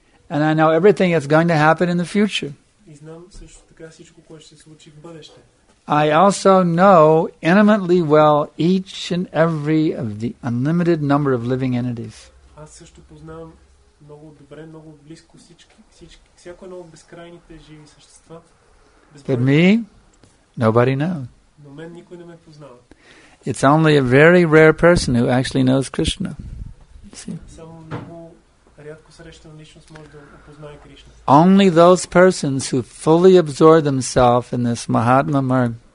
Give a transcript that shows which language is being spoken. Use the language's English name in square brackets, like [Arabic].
[English] And I know everything that's going to happen in the future. [Bulgarian] И знам също така всичко, което ще се случи в бъдеще. [English] I also know intimately well each and every of the unlimited number of living entities. [Bulgarian] Аз също познавам много добре, много близко всички, всяко едно от безкрайните живи същества. [English] But me, nobody knows. [Bulgarian] Но мен никой не ме познава. [English] It's only a very rare person who actually knows Krishna. [Bulgarian] Само много рядко срещана личност може да опознае Кришна. [English] Only those persons who fully absorb themselves in this Mahatma Marg.